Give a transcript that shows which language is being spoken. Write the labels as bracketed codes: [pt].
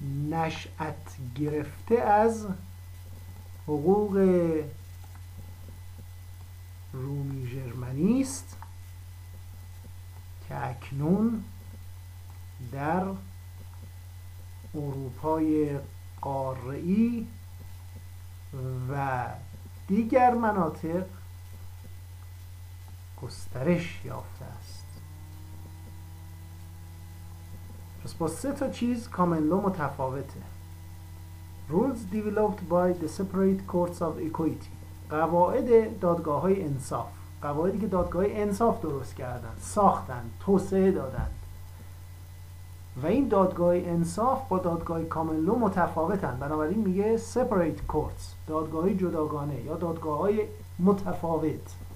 [fa] نشأت گرفته از حقوق رومی جرمنی است که اکنون در اروپای قاره‌ای و دیگر مناطق گسترش یافته است. پس با سه تا چیز کامن لو متفاوته. [en] Rules developed by the separate courts of equity. [fa] قواعد دادگاه های انصاف. قواعدی که دادگاه های انصاف درست کردن، ساختن، توسعه دادن. و این دادگاه انصاف با دادگاه کامن لو متفاوتن. بنابراین میگه [en] separate courts، [fa] دادگاه های جداگانه یا دادگاه های متفاوت.